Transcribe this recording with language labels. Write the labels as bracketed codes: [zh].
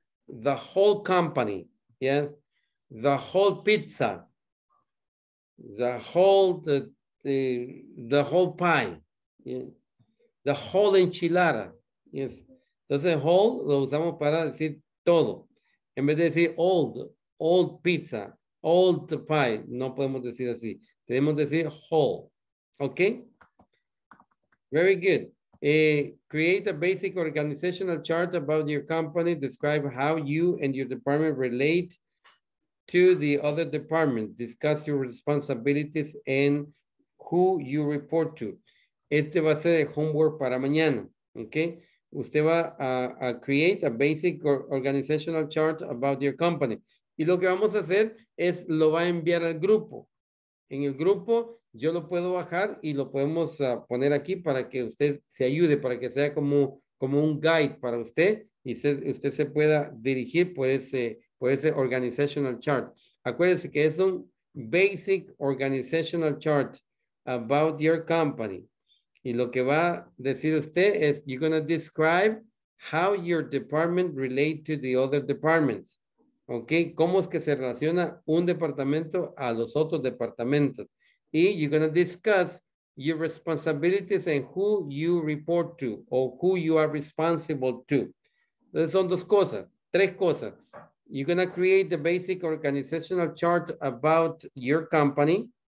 [en] The whole company. Yeah. The whole pizza, the whole pie. Yeah. The whole enchilada. Yes. [es] Entonces, whole lo usamos para decir todo. En vez de decir [en] old, old pizza, old pie, [es] no podemos decir así. Tenemos que decir whole. [en] Ok. Very good. Create a basic organizational chart about your company. Describe how you and your department relate to the other department. Discuss your responsibilities and who you report to. [es] Este va a ser el homework para mañana. Ok. Usted va a [en] create a basic organizational chart about your company. [es] Y lo que vamos a hacer es lo va a enviar al grupo. En el grupo yo lo puedo bajar y lo podemos poner aquí para que usted se ayude, para que sea como, como un guide para usted y se, usted se pueda dirigir por ese organizational chart. Acuérdense que es un [en] basic organizational chart about your company. [es] Y lo que va a decir usted es, [en] you're going to describe how your department relate to the other departments. [es] Ok, cómo es que se relaciona un departamento a los otros departamentos. [en] Y you're going to discuss your responsibilities and who you report to o who you are responsible to. [es] Entonces son dos cosas, tres cosas. [en] You're going to create the basic organizational chart about your company.